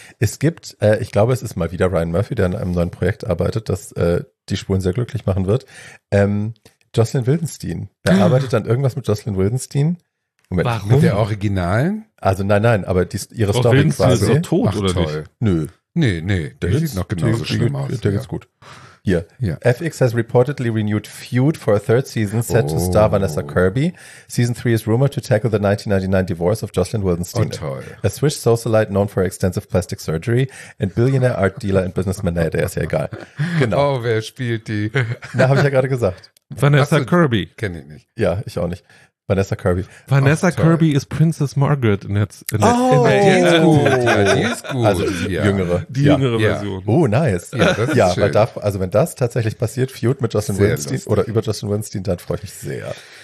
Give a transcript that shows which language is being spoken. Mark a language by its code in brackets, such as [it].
[de] Es gibt, ich glaube, es ist mal wieder Ryan Murphy, der an einem neuen Projekt arbeitet, das die Spuren sehr glücklich machen wird. Jocelyn Wildenstein. Er arbeitet an irgendwas mit Jocelyn Wildenstein. Moment. Warum? Mit der Originalen? Also nein, aber die, ihre Story quasi. Frau Wildenstein ist doch tot, ach, oder toll. Nicht? Nö. Der sieht noch genauso schlimm aus. Der ist gut. Hier. [en] FX has reportedly renewed Feud for a third season set to star Vanessa Kirby. Season 3 is rumored to tackle the 1999 divorce of Jocelyn Wildenstein. [de] Oh, toll. [en] A Swiss socialite known for extensive plastic surgery and billionaire art dealer and businessman. [de] Naja, der ist ja egal. Genau. Oh, wer spielt die? Na, habe ich ja gerade gesagt. Vanessa Kirby. Kenne ich nicht. Ja, ich auch nicht. Vanessa Kirby. Vanessa Kirby ist Princess Margaret die ist gut. Also die jüngere. Die jüngere Version. Oh, nice. Ja, das ist schön. Weil da, also wenn das tatsächlich passiert, Feud mit Jocelyn Wildenstein oder über Jocelyn Wildenstein, dann freue ich mich sehr.